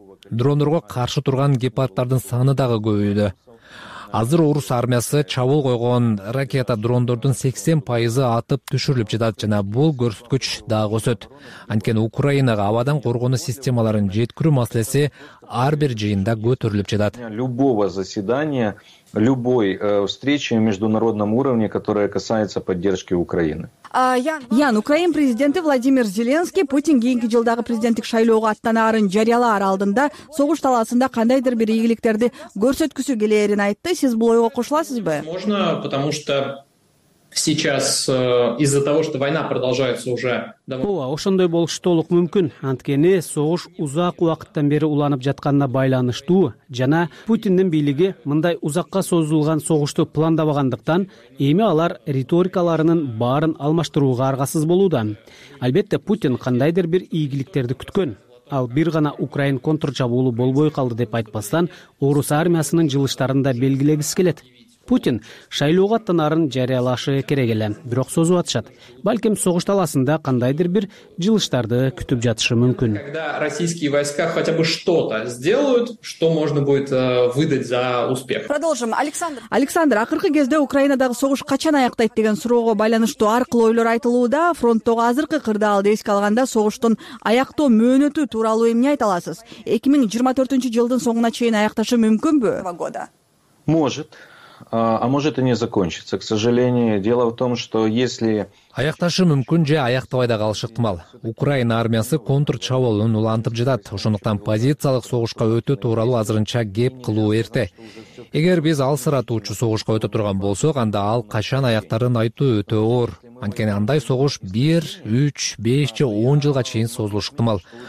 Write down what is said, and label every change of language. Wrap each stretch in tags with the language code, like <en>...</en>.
<ky>Дрондорго каршы турган гепардтардын саны дагы көбөйдү. Азыр орус армиясы чабуул койгон ракета дрондордун 80% атып түшүрүлүп жатат жана бул көрсөткүч дагы өсөт. Анткени Украинага абадан коргоонуу системаларын жеткирүү маселеси ар бир жыйында көтөрүлүп жатат.</ky> <ru>Любого заседания, любой встречи на международном уровне, которая касается поддержки Украины.</ru> <ky>Ян, Украин президенти Владимир Зеленский Путин кийинки жылдагы президенттик шайлоого аттанаарын жарыялаар алдында согуш талаасында кандайдыр бир ийгиликтерди көрсөткүсү келэрин айтты. Сиз бул ойго кошуласызбы?</ky> <ru>Возможно, потому что сейчас из-за того, что война продолжается уже...</ru> <ky>Ооба, ошондой болушу толук мүмкүн. Анткени согуш узак убакыттан бери уланып жатканына байланыштуу жана Путиндин бийлиги мындай узакка созулган согушту пландабагандыктан эми алар риторикаларынын баарын алмаштырууга аргасыз болууда. Албетте, Путин кандайдыр бир ийгиликтерди күткөн. Ал бир гана Украин контржабуулу болбой калды деп айтпастан, орус армиясынын жылыштарында белгилегиси келет. Путин шайлоого аттанаарын жарыялашы керек эле, бирок созуп атышат. Балким согуш талаасында кандайдыр бир жылыштарды күтүп жатышы мүмкүн.</ky> <ru>Когда российские войска хотя бы что-то сделают, что можно будет выдать за успех? Продолжим. Александр.</ru> <ky>Александр, акыркы кезде Украинадагы согуш качан аяктайт деген суроого байланыштуу ар кылуу ойлор айтылууда. Фронттогу азыркы кырдаалды эске алганда согуштун аяктоо мөөнөтү тууралуу эмне айта аласыз? 2024 жылдын соңуна чейин аякташы мүмкүнбү?</ky> <ru>Может. А может и не закончится, к сожалению. Дело в том, что если</ru> <ky>Аякташы мүмкүн же аяктабай да калышы ыктымал. Украина армиясы контур чабуулун улантып жатат. Ошондуктан позициялык согушка өтүү тууралуу азырынча кеп кылуу эрте. Эгер биз ал сыратуучу согушка өтө турган болсок, анда ал качан аяктарын айтуу өтө оор. Анткени андай согуш 1, 3, 5 же 10 жылга чейин созулушу ыктымал.</ky>